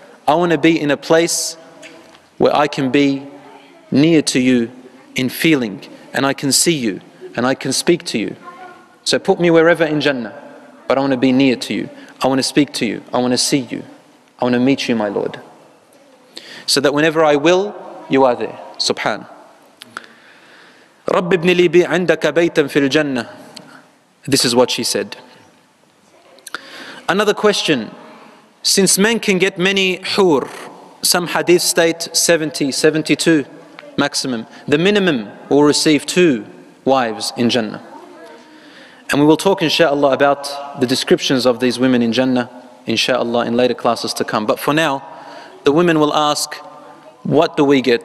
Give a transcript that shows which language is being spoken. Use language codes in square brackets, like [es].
[en] I want to be in a place where I can be near to you in feeling, and I can see you, and I can speak to you. So put me wherever in Jannah, but I want to be near to you. I want to speak to you. I want to see you. I want to meet you, my Lord. So that whenever I will, you are there. [ar] Subhan. رب ابن لي بي عندك بيتا في الجنة. [en] This is what she said. Another question. Since men can get many hur, some hadith state 70, 72 maximum, the minimum will receive two wives in Jannah. And we will talk, inshallah, about the descriptions of these women in Jannah, inshallah, in later classes to come. But for now, the women will ask, what do we get?